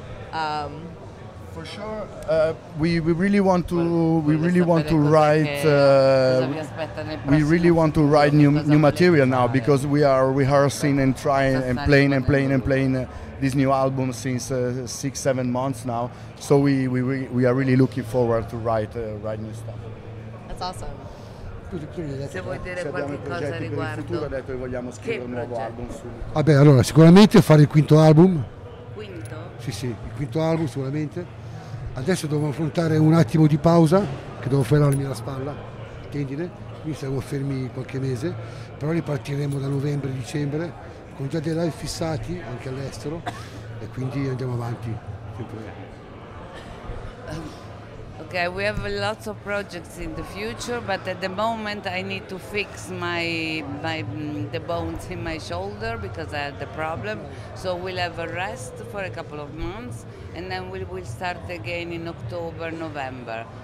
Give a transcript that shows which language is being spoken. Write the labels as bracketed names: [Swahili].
[English] For sure, we really want to write new material now, because we are rehearsing and trying and playing this new album since 6-7 months now. So we are really looking forward to write new stuff. That's awesome. [Italian] Se vuoi dire qualche cosa riguardo per il futuro, detto che vogliamo scrivere un nuovo album. Vabbè, allora sicuramente fare il quinto album. Quinto? Sì, il quinto album sicuramente. Adesso devo affrontare un attimo di pausa, che devo fermarmi la spalla, tendine, quindi saremo fermi qualche mese, però ripartiremo da novembre, dicembre, con già dei live fissati anche all'estero, e quindi andiamo avanti. Sempre. [English] Ok, we have lots of projects in the future, but at the moment I need to fix the bones in my shoulder because I had the problem. So we'll have a rest for a couple of months, and then we will start again in October, November.